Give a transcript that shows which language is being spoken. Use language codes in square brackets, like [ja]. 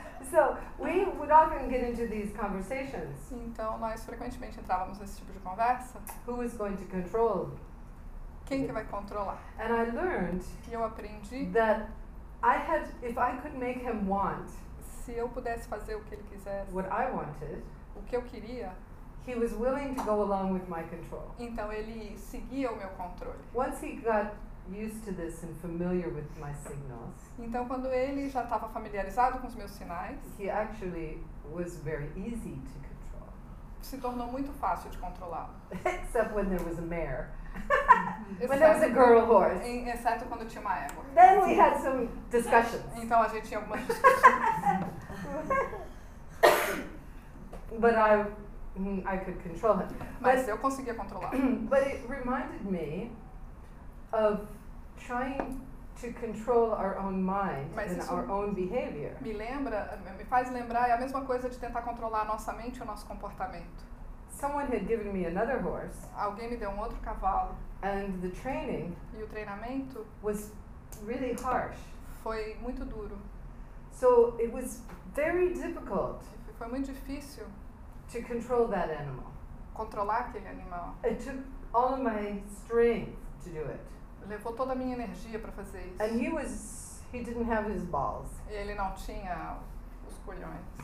[en] So we would often get into these conversations. [pt] Então nós frequentemente entrávamos nesse tipo de conversa. [en] Who is going to control? [pt] Quem que vai controlar? [en] And I learned. [pt] E eu aprendi. [en] That I had, if I could make him want. [pt] Se eu pudesse fazer o que ele quisesse. [en] What I wanted. [pt] O que eu queria. [en] He was willing to go along with my control. [pt] Então ele seguia o meu controle. [en] Once he got used to this and familiar with my signals. [pt] Então quando ele já estava familiarizado com os meus sinais, [en] he actually was very easy to control. [pt] Se tornou muito fácil de controlar. [en] Except when there was a mare. When there was a girl horse. [pt] Exceto quando tinha uma égua. [en] Then we had some discussions. [pt] Então a gente tinha algumas discussões. [en] But I could control him. [pt] Mas eu conseguia controlar. [en] But it reminded me of trying to control our own mind and our own behavior. [pt] Me lembra, me faz lembrar, é a mesma coisa de tentar controlar a nossa mente e o nosso comportamento. [en] Someone had given me another horse. [pt] Alguém me deu um outro cavalo. [en] And the training. [pt] E o treinamento. [en] Was really harsh. [pt] Foi muito duro. [en] So it was very difficult. [pt] Foi muito difícil. [en] To control that animal. [pt] Controlar aquele animal. [en] It took all my strength. to do it. [pt] Levou toda a minha energia para fazer isso. [en] And he didn't have his balls. [pt] E ele não tinha os colhões.